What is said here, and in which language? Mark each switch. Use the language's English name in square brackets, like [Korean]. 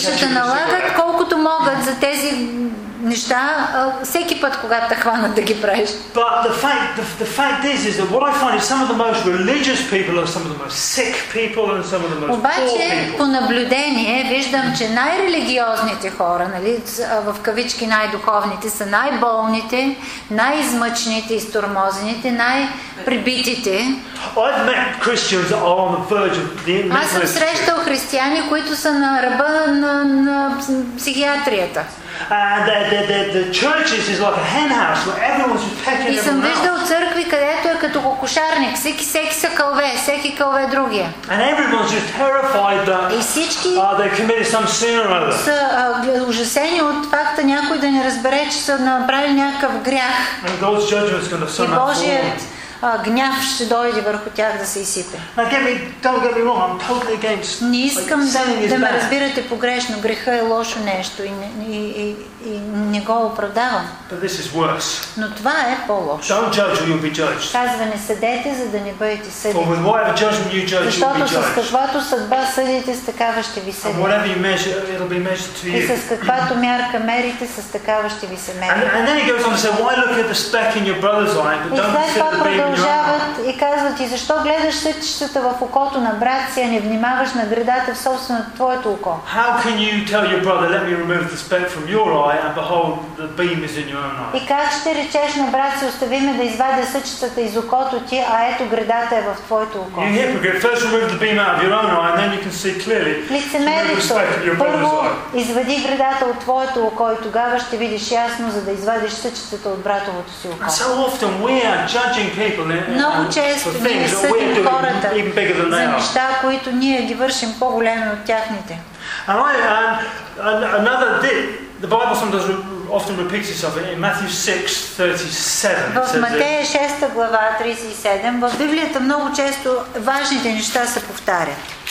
[Bulgarian] ще налагат колкото могат за тези неща, всеки път, когато те хванат да ги правиш. [English] But the fact is that what I find is some of the most religious people are some of the most sick people and some of the most [Bulgarian] обаче, [English] poor people. [Bulgarian] По наблюдение виждам, че най-религиозните хора, нали, в кавички най-духовните, са най-болните, най-измъчените, изтормозените, най-прибитите. [English] I've met Christians that are on the verge of the mental institute. [Bulgarian] Аз съм срещал християни, които са на ръба на психиатрията. [English] And the churches is like a hen house where everyone's pecking everyone else. [Bulgarian] И съм виждал църкви, където е като кокошарник, всеки са кълве, всеки кълве другия. [English] And everyone's just terrified that they committed some sin or other. [Bulgarian] Са ужасени от факта някой да не разбере, че са направили някакъв грях. [English] And God's judgment's gonna sum up all. [Bulgarian] Гняв ще дойде върху тях да се изсипе. [English] Totally. [Bulgarian] Не искам да ме разбирате погрешно. Греха е лошо нещо и не го оправдавам. Но това е по-лошо. [English] Don't judge, you'll be judged. [Bulgarian] Казва, не съдете, за да не бъдете съдени. [English] For with whatever judgment you judge, [Bulgarian] защото с каквато съдба съдите, с такава ще ви съдят. [English] And whatever you measure, it'll be measured to you. [Bulgarian] И с каквато мярка мерите, с такава ще ви се мери. [English] And then he goes on to say, why look at the speck in your brother's eye, but don't consider the beam. [Bulgarian] Продължават и казват ти, защо гледаш сътчетата в окото на брат си, а не внимаваш на гредата в собственото твоето око? [English] How can you tell your brother, let me remove the speck from your eye and behold the beam is in your own eye. [Bulgarian] И как ще речеш на брат си, остави ме да извадя съчетата из окото ти, а ето гредата е в твоето око. [English] You hypocrite, first remove the beam out of your own eye, and then you can see clearly. [Bulgarian] Лицемерието, първо извади гредата от твоето око и тогава ще видиш ясно, за да извадиш съчетата от братовото си око. [English] So often we are judging people. [Bulgarian] Много често ние съдим хората за неща, които ние ги вършим по-големи от тяхните. [English] Another dip. The Bible sometimes often repeats itself in Matthew 6:37. [Bulgarian] В Матея 6 глава 37 в Библията много често важните неща се повтарят.